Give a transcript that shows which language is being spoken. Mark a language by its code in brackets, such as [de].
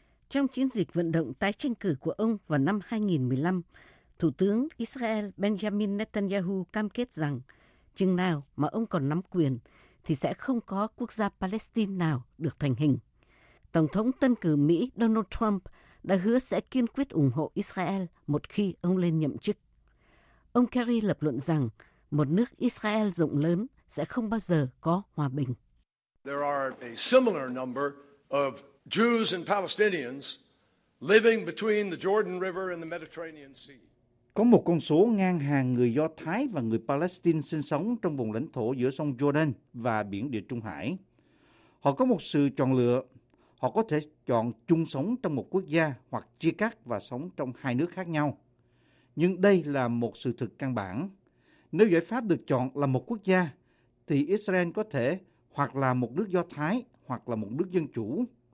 [vi] Trong chiến dịch vận động tái tranh cử của ông vào năm 2015, Thủ tướng Israel Benjamin Netanyahu cam kết rằng chừng nào mà ông còn nắm quyền thì sẽ không có quốc gia Palestine nào được thành hình. Tổng thống tân cử Mỹ Donald Trump đã hứa sẽ kiên quyết ủng hộ Israel một khi ông lên nhậm chức. Ông Kerry lập luận rằng một nước Israel rộng lớn sẽ không bao giờ có hòa bình. [en] There are a similar number of Jews and Palestinians living between the Jordan River and the Mediterranean Sea. [vi] Có một con số ngang hàng người Do Thái và người Palestine sinh sống trong vùng lãnh thổ giữa sông Jordan và biển Địa Trung Hải. Họ có một sự chọn lựa. Họ có thể chọn chung sống trong một quốc gia hoặc chia cắt và sống trong hai nước khác nhau. Nhưng đây là một sự thực căn bản. Nếu giải pháp được chọn là một quốc gia, thì Israel có thể hoặc là một nước Do Thái hoặc là một nước dân chủ.